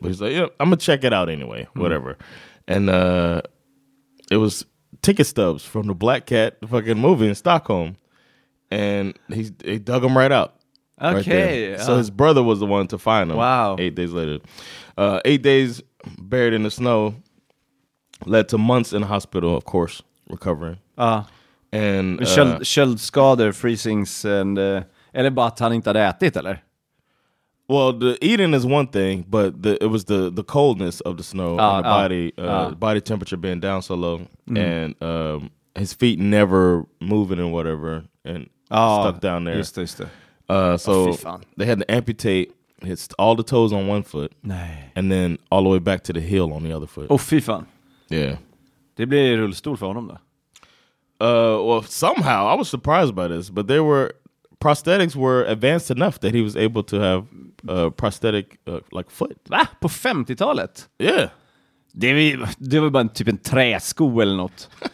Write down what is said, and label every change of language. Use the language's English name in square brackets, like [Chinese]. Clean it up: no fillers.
[English] But he's like, yeah, I'm going to check it out anyway, whatever. And it was ticket stubs from the Black Cat fucking movie in Stockholm. And he dug them right out. Okay. Right, so his brother was the one to find them. Wow. 8 days later. 8 days buried in the snow led to months in hospital, of course, recovering. And Shell skader, freezings, and... [Swedish] Eller bara att han inte hade ätit, eller? [English] Well, the eating is one thing, but it was the coldness of the snow on the body, body temperature being down so low, and his feet never moving and whatever, and stuck down there. [Swedish] Just det. [English] They had to amputate his all the toes on one foot, [Swedish] nej. [English] And then all the way back to the heel on the other foot. [Swedish] Oh, fy fan. [English] Yeah. [Swedish] Det blir rullstol för honom, då? [English] Well, somehow, I was surprised by this, but they were... Prosthetics were advanced enough that he was able to have a prosthetic like foot. [Swedish] Va? På 50-talet? [English] Yeah. [Swedish] Det var bara typ en träsko eller något.